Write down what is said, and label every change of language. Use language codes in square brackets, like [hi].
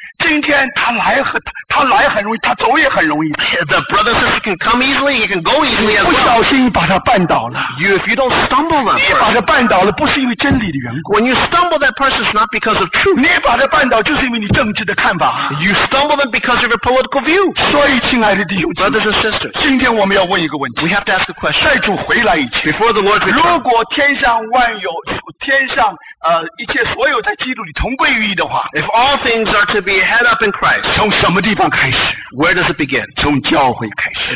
[zh] 今天他来很容易，他走也很容易。 [en] The brother says he can come easily, he can go easily as well. [zh] 不小心把他绊倒了。 [en] If you don't stumble that person. [zh] 你把他绊倒了，不是因为真理的缘故。 [en] When you stumble that person, it's not because of truth. [zh] 你把他绊倒，就是因为你政治的看法。 [en] You stumble them because of your political view. [zh] 所以，亲爱的弟兄姐妹， [en] brothers and sisters, [zh] 今天我们要问一个问题。 [en] We have to ask a question. [zh] 在主回来以前， [en] before the Lord returns. [zh] 如果天上万有，天上一切所有在基督里同归于一的话， [en] if all things are to be head up in Christ, [zh] 从什么地方开始? [en] Where does it begin? [zh] 从教会开始。